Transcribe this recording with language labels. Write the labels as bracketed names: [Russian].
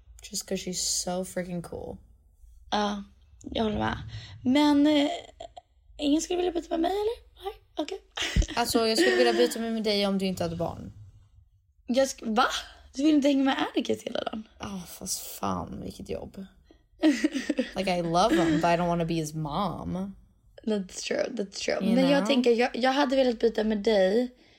[English] Just because she's so freaking cool. [Swedish] Ja. Jag håller med. Men ingen skulle vilja byta med mig, eller? Nej, okej. [English] Okay. [Swedish] Alltså, jag skulle vilja byta med dig om du inte hade barn. Va? Du vill inte hänga med Erikes hela dagen? Oh, fast fan, vilket jobb. [English] Like, I love him, but I don't want to be his mom. That's true. You Men know? [Swedish] Jag tänker, jag hade velat byta med dig.